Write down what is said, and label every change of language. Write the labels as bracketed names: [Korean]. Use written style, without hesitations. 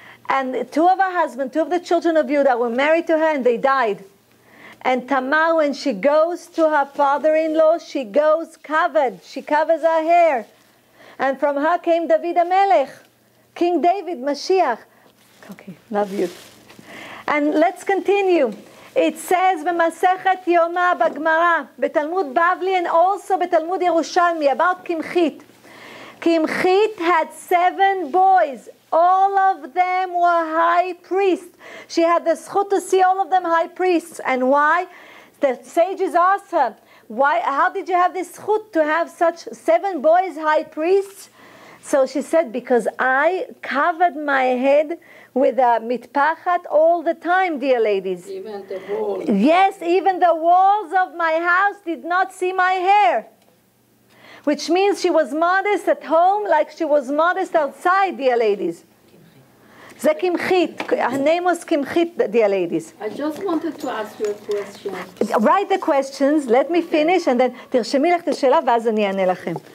[English] And two of her husbands, two of the children of Yehuda were married to her and they died. And Tamar, when she goes to her father-in-law, she goes covered. She covers her hair. And from her came David HaMelech, King David, Mashiach. Okay, love you. And let's continue. It says, [Hebrew] במסכת יומא בגמרא, בתלמוד בבלי [English] and also [Hebrew] בתלמוד ירושלמי, [English] about Kimchit. Kimchit had 7 boys. All of them were high priests. She had the zchut to see all of them high priests. And why? The sages asked her, why, how did you have this zchut to have such 7 boys high priests? So she said, because I covered my head with a mitpachat all the time, dear ladies. Even the walls. Yes, even the walls of my house did not see my hair. Which means she was modest at home like she was modest outside, dear ladies. Ze Kimchit. Her name was Kimchit, dear ladies. I just wanted to ask you a question. Write the questions. Let me finish and then [Hebrew] תרשמי לך את השאלה ואז אני אענה לכם.